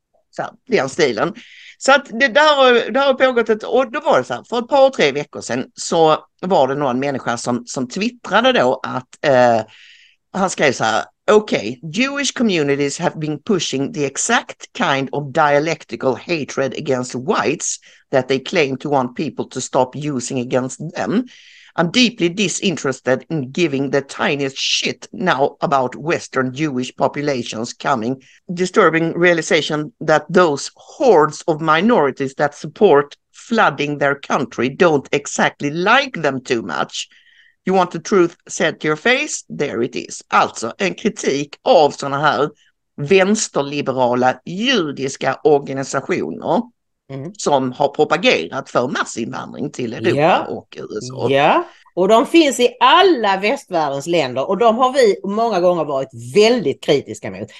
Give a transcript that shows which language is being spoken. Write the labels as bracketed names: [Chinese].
[Swedish] Så den stilen. Så att det där har pågått ett, och då var det så här, för ett par, tre veckor sedan så var det någon människa som twittrade då att, han skrev så här, okay, [English] Jewish communities have been pushing the exact kind of dialectical hatred against whites that they claim to want people to stop using against them. I'm deeply disinterested in giving the tiniest shit now about Western Jewish populations coming. Disturbing realization that those hordes of minorities that support flooding their country don't exactly like them too much. You want the truth set to your face? There it is. [Swedish] Alltså en kritik av såna här vänsterliberala judiska organisationer som har propagerat för massinvandring till Europa och USA. Ja, och de finns i alla västvärldens länder och de har vi många gånger varit väldigt kritiska mot.